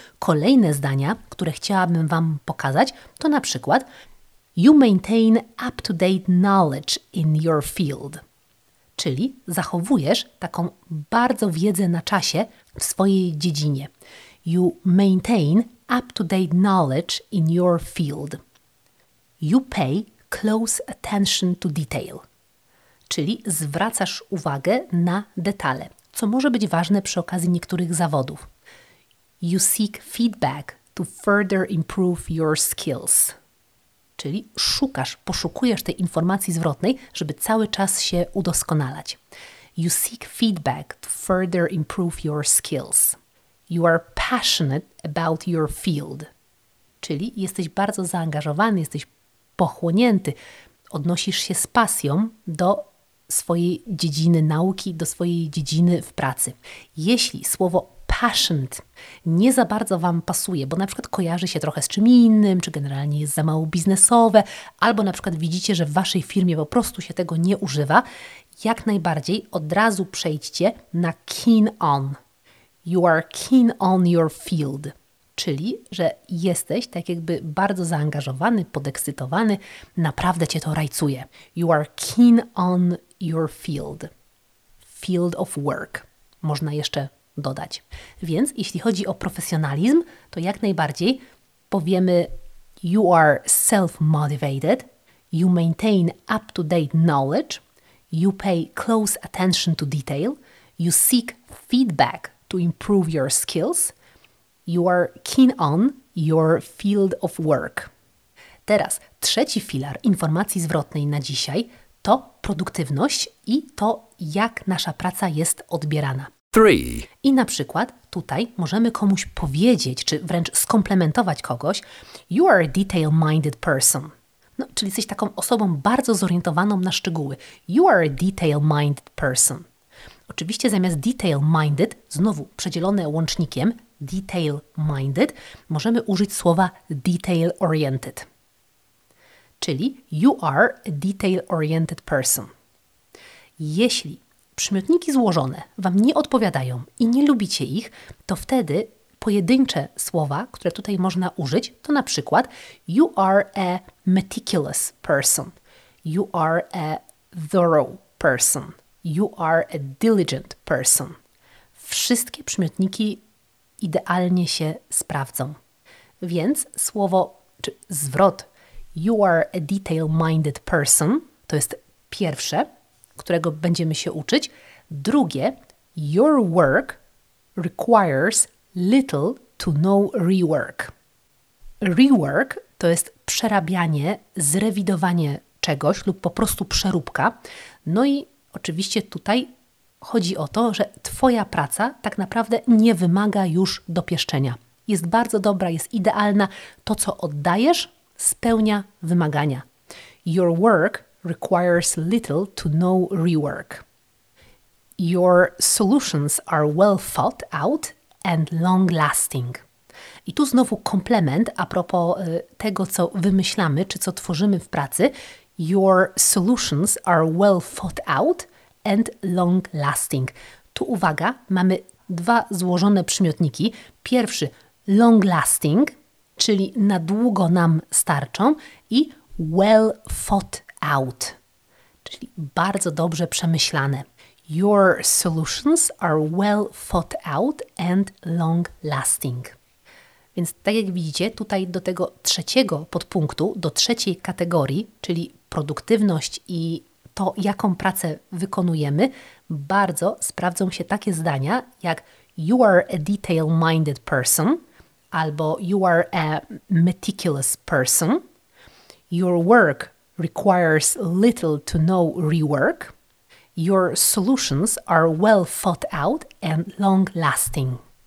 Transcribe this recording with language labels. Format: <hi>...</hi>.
<pl>Kolejne zdania, które chciałabym Wam pokazać, to na przykład</pl> <en>you maintain up-to-date knowledge in your field.</en> <pl>Czyli zachowujesz taką bardzo wiedzę na czasie w swojej dziedzinie.</pl> <en>You maintain up-to-date knowledge in your field. You pay close attention to detail.</en> <pl>Czyli zwracasz uwagę na detale, co może być ważne przy okazji niektórych zawodów.</pl> <en>You seek feedback to further improve your skills.</en> <pl>Czyli poszukujesz tej informacji zwrotnej, żeby cały czas się udoskonalać.</pl> <en>You seek feedback to further improve your skills. You are passionate about your field.</en> <pl>Czyli jesteś bardzo zaangażowany, jesteś pochłonięty. Odnosisz się z pasją do swojej dziedziny nauki, do swojej dziedziny w pracy. Jeśli słowo passionate nie za bardzo Wam pasuje, bo na przykład kojarzy się trochę z czym innym, czy generalnie jest za mało biznesowe, albo na przykład widzicie, że w Waszej firmie po prostu się tego nie używa, jak najbardziej od razu przejdźcie na keen on.</pl> <en>You are keen on your field.</en> <pl>Czyli, że jesteś tak jakby bardzo zaangażowany, podekscytowany, naprawdę Cię to rajcuje.</pl> <en>You are keen on your field. Field of work.</en> <pl>Można jeszcze dodać. Więc jeśli chodzi o profesjonalizm, to jak najbardziej powiemy</pl> <en>you are self-motivated, you maintain up-to-date knowledge, you pay close attention to detail, you seek feedback to improve your skills, you are keen on your field of work.</en> <pl>Teraz trzeci filar informacji zwrotnej na dzisiaj to produktywność i to, jak nasza praca jest odbierana. I na przykład tutaj możemy komuś powiedzieć, czy wręcz skomplementować kogoś,</pl> <en>you are a detail-minded person.</en> <pl>No, czyli jesteś taką osobą bardzo zorientowaną na szczegóły.</pl> <en>You are a detail-minded person.</en> <pl>Oczywiście zamiast detail-minded, znowu przedzielone łącznikiem, detail-minded, możemy użyć słowa detail-oriented. Czyli</pl> <en>you are a detail-oriented person.</en> <pl>Jeśli przymiotniki złożone Wam nie odpowiadają i nie lubicie ich, to wtedy pojedyncze słowa, które tutaj można użyć, to na przykład</pl> <en>you are a meticulous person, you are a thorough person, you are a diligent person.</en> <pl>Wszystkie przymiotniki idealnie się sprawdzą. Więc słowo, czy zwrot</pl> <en>you are a detail-minded person,</en> <pl>to jest pierwsze, którego będziemy się uczyć. Drugie,</pl> <en>your work requires little to no rework.</en> <pl>Rework to jest przerabianie, zrewidowanie czegoś lub po prostu przeróbka. No i oczywiście tutaj chodzi o to, że Twoja praca tak naprawdę nie wymaga już dopieszczenia. Jest bardzo dobra, jest idealna. To, co oddajesz, spełnia wymagania.</pl> <en>Your work requires little to no rework. Your solutions are well thought out and long lasting.</en> <pl>I tu znowu komplement a propos tego, co wymyślamy, czy co tworzymy w pracy.</pl> <en>Your solutions are well thought out and long lasting.</en> <pl>Tu uwaga, mamy dwa złożone przymiotniki. Pierwszy, long lasting, czyli na długo nam starczą i well thought out, czyli bardzo dobrze przemyślane.</pl> <en>Your solutions are well thought out and long lasting.</en> <pl>Więc tak jak widzicie, tutaj do tego trzeciego podpunktu, do trzeciej kategorii, czyli produktywność i to, jaką pracę wykonujemy, bardzo sprawdzą się takie zdania jak</pl> <en>you are a detail-minded person,</en> <pl>albo</pl> <en>you are a meticulous person, your work requires little to no rework, your solutions are well thought out and long lasting.</en>